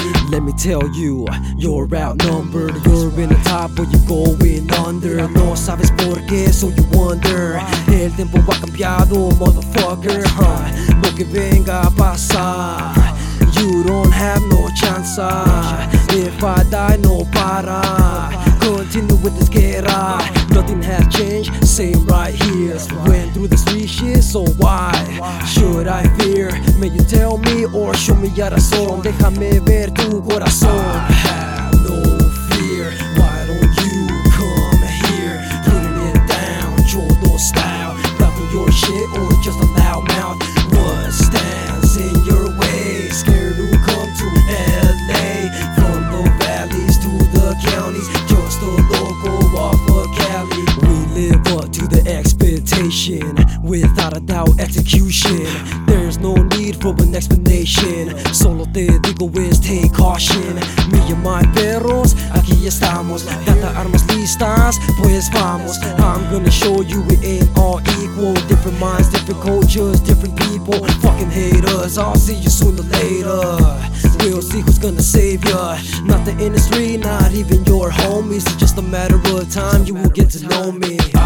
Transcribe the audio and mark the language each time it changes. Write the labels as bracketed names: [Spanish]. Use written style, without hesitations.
[English] Let me tell you, you're outnumbered. You're in the top, but you're going under. [Spanish] No sabes por qué, [English] so you wonder. [Spanish] El tiempo ha cambiado, motherfucker. Lo que venga a pasar, [English] you don't have no chance. If I die, [Spanish] no para. [English] Continue with this guerra. Nothing has changed, same right here. Went through the street shit, so why should I fear? May you tell me or show me your razón. [Spanish] Déjame ver tu corazón. [English] I have no fear. Why don't you come here? Putting it down, Jodo style. Dropping your shit or just a loud mouth. What stands in your way? Scared to come to LA. From the valleys to the counties. Just a local off of Cali. We live up to the expectation. Without a doubt, execution. No need for an explanation. [Spanish] Solo te digo [English] is take caution. Me and my [Spanish] perros, aquí estamos. Data armas listas, pues vamos. [English] I'm gonna show you we ain't all equal. Different minds, different cultures, different people. Fucking haters, I'll see you sooner or later. We'll see who's gonna save ya. Not the industry, not even your homies. It's just a matter of time, you will get to know me.